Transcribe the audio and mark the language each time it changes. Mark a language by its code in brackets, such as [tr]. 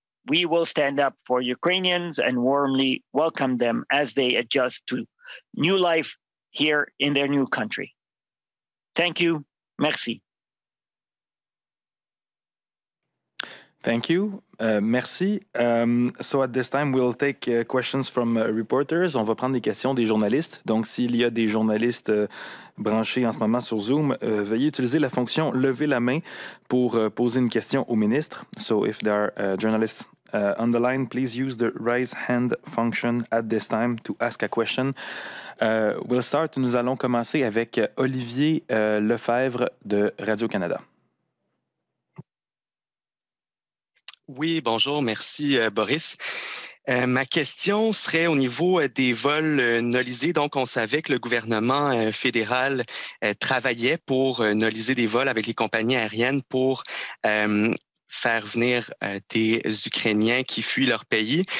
[en] We will stand up for Ukrainians and warmly welcome them as they adjust to new life here in their new country. Thank you. [fr] Merci. [en] Thank you. [fr] Merci. [en] So at this time, we'll take questions from reporters. [fr] On va prendre des questions des journalistes. Donc, s'il y a des journalistes branchés en ce moment sur Zoom, veuillez utiliser la fonction « lever la main » pour poser une question au ministre. [en] So if there are journalists on the line, please use the raise hand function at this time to ask a question. We'll start. [fr] Nous allons commencer avec Olivier Lefebvre de Radio-Canada. Oui, bonjour. Merci, Boris. Ma question serait au niveau des vols nolisés. Donc, on savait que le gouvernement fédéral travaillait pour noliser des vols avec les compagnies aériennes pour faire venir des Ukrainiens qui fuient leur pays.